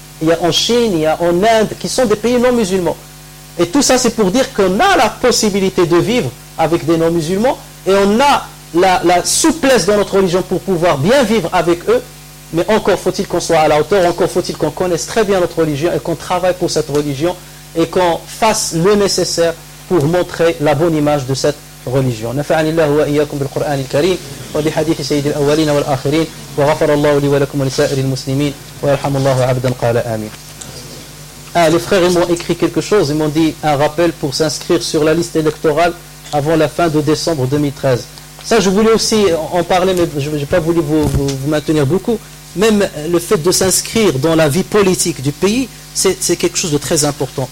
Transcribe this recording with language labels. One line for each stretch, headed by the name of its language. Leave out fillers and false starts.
French: Il y a en Chine, il y a en Inde, qui sont des pays non musulmans. Et tout ça, c'est pour dire qu'on a la possibilité de vivre avec des non musulmans et on a la souplesse dans notre religion pour pouvoir bien vivre avec eux. Mais encore faut-il qu'on soit à la hauteur, encore faut-il qu'on connaisse très bien notre religion et qu'on travaille pour cette religion et qu'on fasse le nécessaire pour montrer la bonne image de cette religion.
Arabic: نفعني الله وإياكم بالقرآن الكريم وبحديث سيد الأولين والآخرين وغفر الله لي ولكم ولسائر المسلمين ويرحم الله عبدا قال آمين.
French: Ah, les frères, ils m'ont écrit quelque chose, ils m'ont dit un rappel pour s'inscrire sur la liste électorale avant la fin de décembre 2013. Ça, je voulais aussi en parler, mais je n'ai pas voulu vous maintenir beaucoup. Même le fait de s'inscrire dans la vie politique du pays, c'est quelque chose de très important.